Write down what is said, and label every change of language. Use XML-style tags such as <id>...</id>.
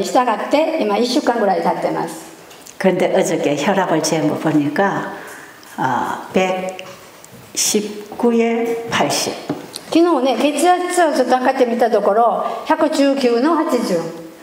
<ja>血圧薬を経ってここで神様からいただく薬ここのね見事に従って今1週間ぐらい経ってます。</ja> <ko>근데 어저께 혈압을 재면 보니까 119에 80.</ko> <ja>昨日ね 血圧を 測ってみたところ 119の 80.</ja>